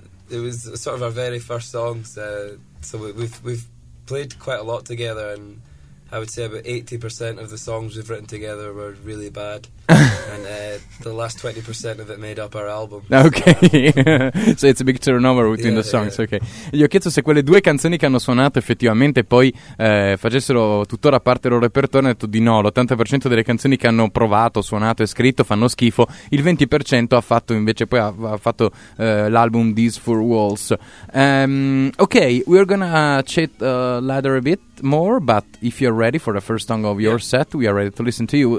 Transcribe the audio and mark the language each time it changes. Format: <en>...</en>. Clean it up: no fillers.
<en>It was sort of our very first songs, so we've played quite a lot together, and I would say about 80% of the songs we've written together were really bad, and the last 20% of it made up our album. Okay, so it's a big turnover between the songs. Yeah.</en> <it>Okay, gli ho chiesto se quelle due canzoni che hanno suonato effettivamente poi facessero tuttora parte del loro repertorio. Ho detto di no, l'80% delle canzoni che hanno provato, suonato e scritto fanno schifo. Il 20% ha fatto invece poi ha fatto l'album These Four Walls.</it> <en>Okay, we're gonna chat later a bit more, but if you're ready for the first song of your set, we are ready to listen to you.</en>